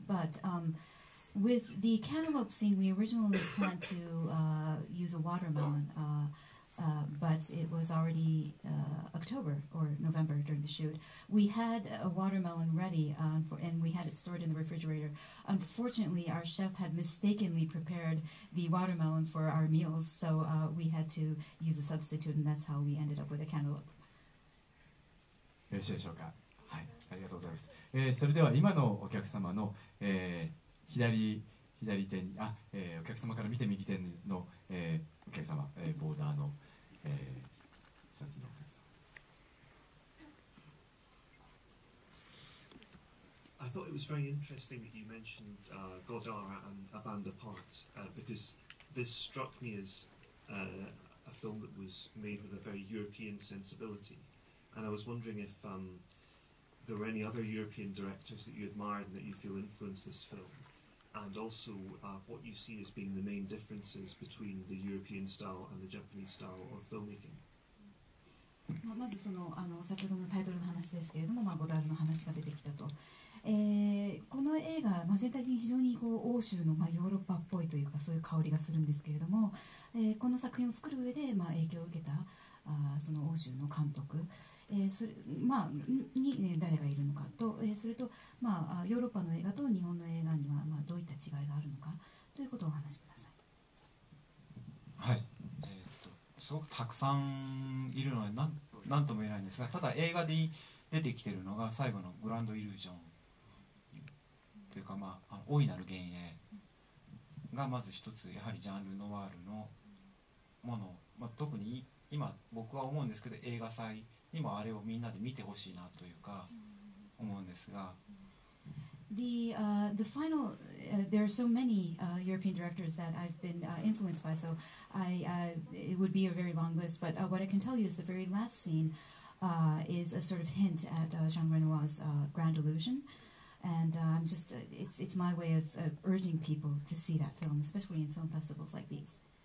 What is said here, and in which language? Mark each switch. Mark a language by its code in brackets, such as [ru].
[en] But with the cantaloupe scene, we originally planned to use a watermelon, but it was already October or November during the shoot. We had a watermelon ready and we had it stored in the refrigerator. Unfortunately, our chef had mistakenly prepared the watermelon for our meals, so we had to use a substitute, and that's how we ended up with a cantaloupe. [ja] よろしいでしょうか。はい、ありがとうございます。それでは今のお客様の、左手に、あ、お客様から見て右手の、お客様、ボーダーの、シャツのお客様。 [en] I thought it was very interesting that you mentioned Godara and A Band Apart, because this struck me as a film that was made with a very European sensibility. And I was wondering if there were any other European directors that you admired and that you feel influenced this film. And also, what you see as being the main differences between the European style and the Japanese style of filmmaking? [ja] まあまずその、あの先ほどのタイトルの話ですけれども、まあ、ゴダールの話が出てきたと。この映画、まあ、全体的に非常にこう欧州の、まあ、ヨーロッパっぽいというか、そういう香りがするんですけれども、この作品を作る上で、まあ、影響を受けたその欧州の監督。それまあ、に誰がいるのかと、それと、まあ、ヨーロッパの映画と日本の映画には、まあ、どういった違いがあるのかということをお話しください。はい、すごくたくさんいるので何とも言えないんですが、ただ映画で出てきているのが最後のグランドイリュージョンというか、まあ、大いなる幻影がまず一つ、やはりジャンルノワールのもの、まあ、特に今僕は思うんですけど、映画祭今あれをみんなで見てほしいなというか思うんですが、 [en] the final there are so many European directors that I've been influenced by, so I it would be a very long list, but what I can tell you is the very last scene is a sort of hint at Jean Renoir's Grand Illusion, and I'm just it's my way of urging people to see that film, especially in film festivals like these.